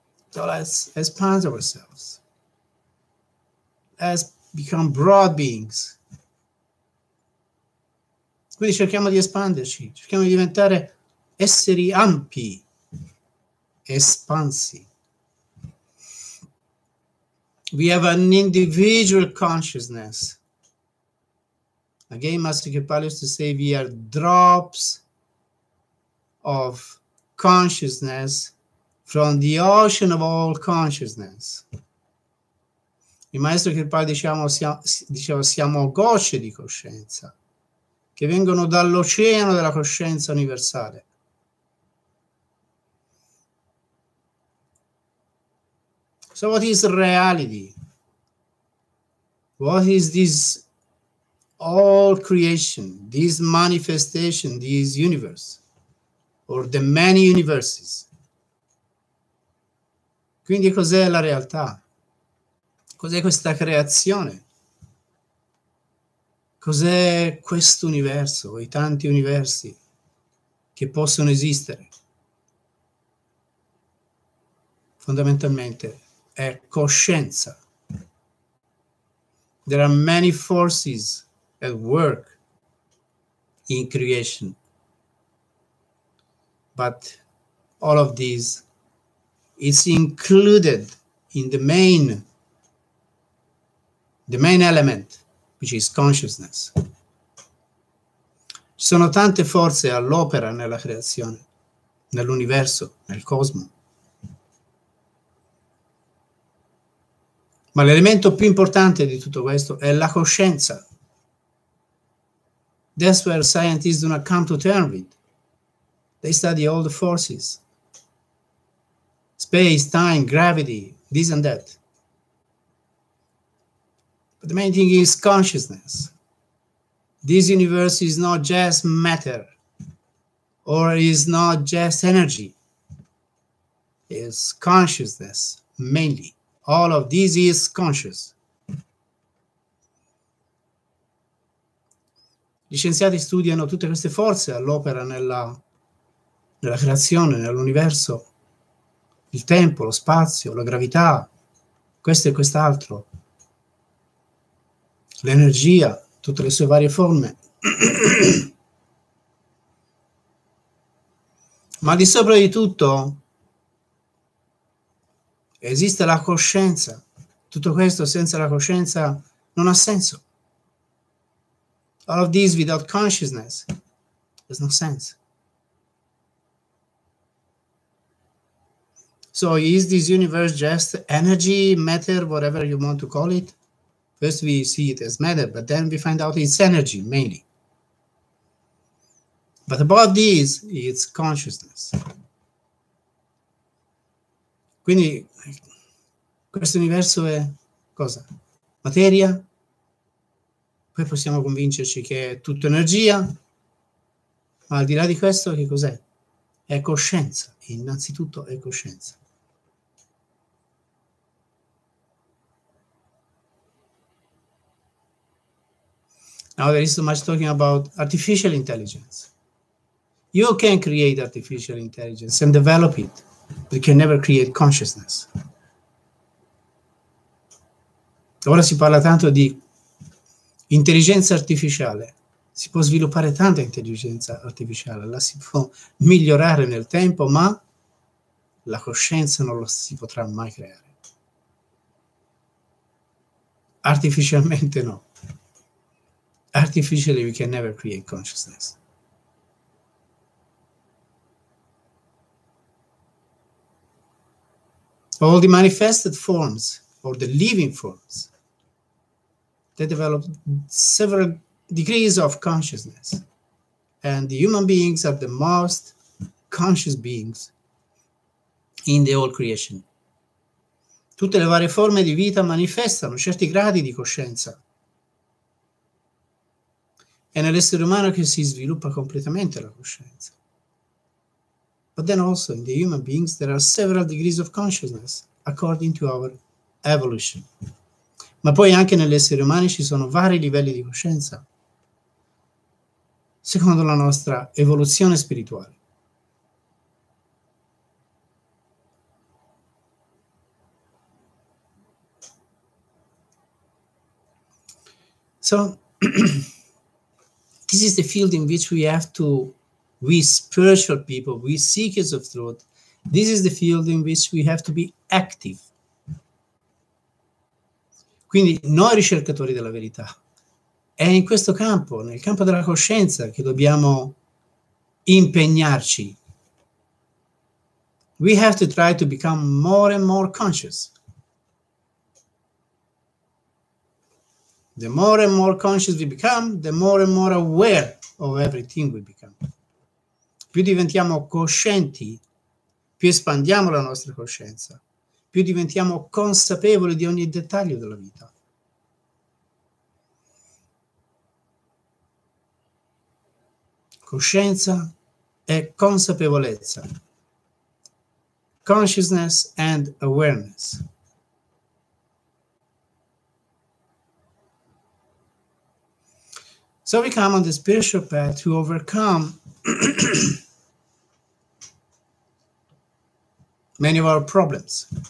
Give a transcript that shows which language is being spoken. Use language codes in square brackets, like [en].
[en] So let's expand ourselves. Let's become broad beings. [it] Quindi cerchiamo di espanderci, cerchiamo di diventare esseri ampi, espansi. [en] We have an individual consciousness. Again, Master Kripalu used to say we are drops of consciousness from the ocean of all consciousness. [it] Il Maestro Kripalu diceva siamo gocce di coscienza che vengono dall'oceano della coscienza universale. [en] So what is reality? What is this all creation, this manifestation, this universe, or the many universes? [it] Quindi cos'è la realtà? Cos'è questa creazione? Cos'è questo universo, i tanti universi che possono esistere? Fondamentalmente è coscienza. [en] There are many forces at work in creation, but all of these is included in the main element, which is consciousness. [it] Ci sono tante forze all'opera nella creazione, nell'universo, nel cosmo. Ma l'elemento più importante di tutto questo è la coscienza. [en] That's where scientists do not come to terms with. They study all the forces. Space, time, gravity, this and that. But the main thing is consciousness. This universe is not just matter, or is not just energy. It's consciousness, mainly. All of this is conscious. [it] Gli scienziati studiano tutte queste forze all'opera nella creazione, nell'universo. Il tempo, lo spazio, la gravità, questo e quest'altro. L'energia, tutte le sue varie forme. Ma di sopra di tutto esiste la coscienza. Tutto questo senza la coscienza non ha senso. [en] All of this without consciousness has no sense. So is this universe just energy, matter, whatever you want to call it? First we see it as matter, but then we find out it's energy mainly. But above this, it's consciousness. [it] Quindi questo universo è cosa? Materia? Poi possiamo convincerci che è tutta energia, ma al di là di questo che cos'è? È coscienza, innanzitutto è coscienza. [en] Now there is so much talking about artificial intelligence. You can create artificial intelligence and develop it, but you can never create consciousness. [it] Ora si parla tanto di intelligenza artificiale. Si può sviluppare tanta intelligenza artificiale, la si può migliorare nel tempo, ma la coscienza non la si potrà mai creare. Artificialmente no. [en] Artificially, we can never create consciousness. All the manifested forms, or the living forms, they develop several degrees of consciousness. And the human beings are the most conscious beings in the whole creation. [it] Tutte le varie forme di vita manifestano certi gradi di coscienza. È nell'essere umano che si sviluppa completamente la coscienza. [en] But then also in the human beings there are several degrees of consciousness according to our evolution. [it] Ma poi anche nell'essere umano ci sono vari livelli di coscienza secondo la nostra evoluzione spirituale. [en] So this is the field in which we have to, we spiritual people, we seekers of truth, this is the field in which we have to be active. [it] Quindi noi ricercatori della verità, è in questo campo, nel campo della coscienza, che dobbiamo impegnarci. [en] We have to try to become more and more conscious. The more and more conscious we become, the more and more aware of everything we become. [it] Più diventiamo coscienti, più espandiamo la nostra coscienza, più diventiamo consapevoli di ogni dettaglio della vita. Coscienza e consapevolezza. [en] Consciousness and awareness. So we come on the spiritual path to overcome many of our problems.